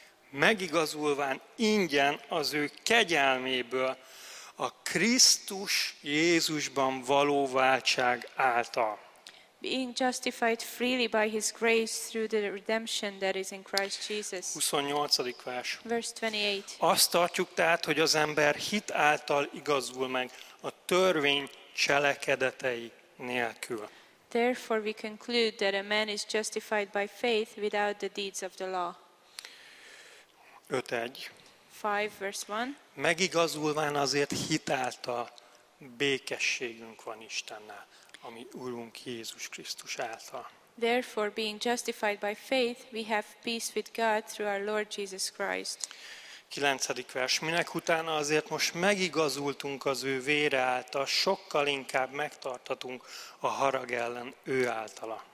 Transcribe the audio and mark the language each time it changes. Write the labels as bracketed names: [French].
[Hungarian] Megigazulván ingyen az ő kegyelméből a Krisztus Jézusban való váltság által. [English] Being justified freely by his grace through the redemption that is in Christ Jesus. [Hungarian] 28. vers. [English] Verse 28. [Hungarian] Azt tartjuk tehát, hogy az ember hit által igazul meg a törvény cselekedetei nélkül. [English] Therefore we conclude that a man is justified by faith without the deeds of the law. [Hungarian] 5:1. [English] 5 verse 1. [Hungarian] Megigazulván azért hit által békességünk van Istennel, ami Urunk Jézus Krisztus által. [English] Therefore being justified by faith we have peace with God through our Lord Jesus Christ. [Hungarian] 9. vers. Minek utána azért most megigazultunk az ő vére által, sokkal inkább megtartatunk a harag ellen ő általa.